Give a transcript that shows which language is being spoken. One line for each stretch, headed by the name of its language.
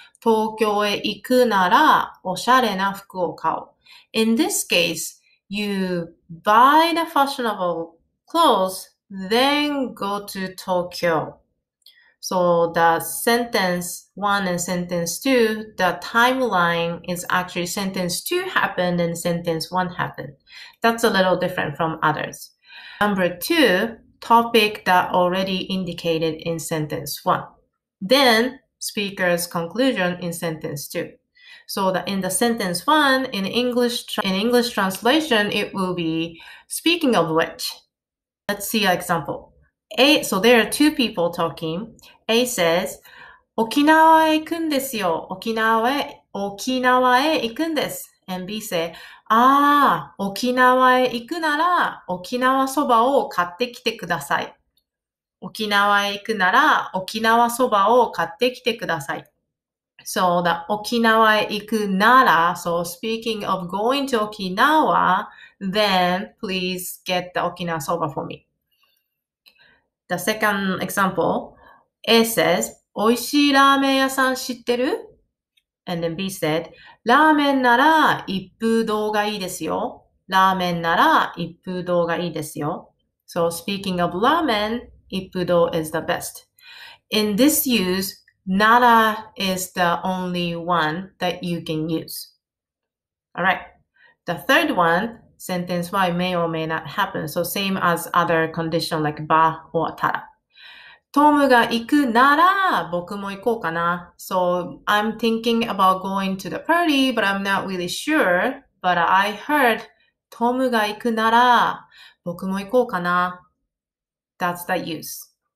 Japanese: 東京へ行くならおしゃれな服を買おう。
English: In this case, you buy the fashionable clothes, then go to Tokyo. So the sentence 1 and sentence 2, the timeline is actually sentence 2 happened and sentence 1 happened. That's a little different from others. Number 2, topic that already indicated in sentence 1. Then, speaker's conclusion in sentence 2. So that in the sentence 1, in English translation, it will be speaking of which. Let's see an example. A, so there are two people talking. A says,
Japanese: 沖縄へ行くんですよ。沖縄へ行くんです。
English: And B says,
Japanese: ああ、沖縄へ行くなら沖縄そばを買ってきてください。沖縄へ行くなら沖縄そばを買ってきてください。
English: So,
Japanese: 沖縄へ行くなら
English: So, speaking of going to Okinawa, then please get the 沖縄そば for me. The second example, A says,
Japanese: おいしいラーメン屋さん知ってる？
English: And then B said,
Japanese: ラーメンなら一風堂がいいですよ。ラーメンなら一風堂がいいですよ。
English: So, speaking of ramen, 一風堂 is the best. In this use, NARA is the only one that you can use. Alright. The third one, sentence why may or may not happen. So, same as other condition like ba or tara.
Japanese: トムが行くなら僕も行こうかな。
English: So, I'm thinking about going to the party, but I'm not really sure. But I heard
Japanese: トムが行くなら僕も行こうかな。
English: That's the use.